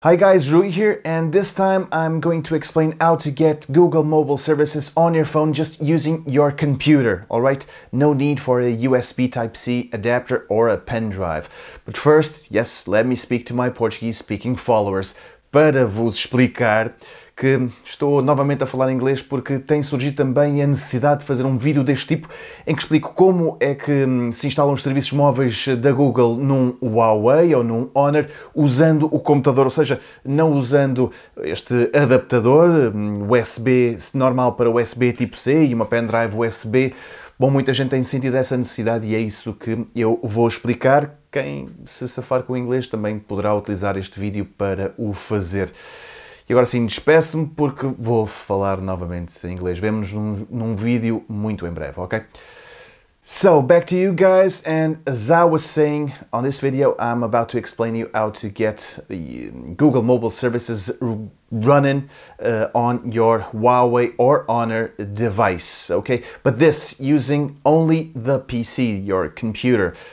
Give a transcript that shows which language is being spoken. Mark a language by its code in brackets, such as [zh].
[en] Hi guys, Rui here, and this time I'm going to explain how to get Google Mobile Services on your phone just using your computer, alright? No need for a USB Type-C adapter or a pen drive. But first, yes, let me speak to my Portuguese-speaking followers [pt] para vos explicar que estou novamente a falar inglês porque tem surgido também a necessidade de fazer um vídeo deste tipo em que explico como é que se instalam os serviços móveis da Google num Huawei ou num Honor usando o computador, ou seja, não usando este adaptador USB normal para USB tipo C e uma pendrive USB. Bom, muita gente tem sentido essa necessidade e é isso que eu vou explicar. Quem se safar com o inglês também poderá utilizar este vídeo para o fazer. E agora sim, despeço-me porque vou falar novamente em inglês. Vemo-nos num vídeo muito em breve, ok? [en] So, back to you guys, and as I was saying, on this video I'm about to explain you how to get Google Mobile Services running on your Huawei or Honor device, okay? But this using only the PC, your computer.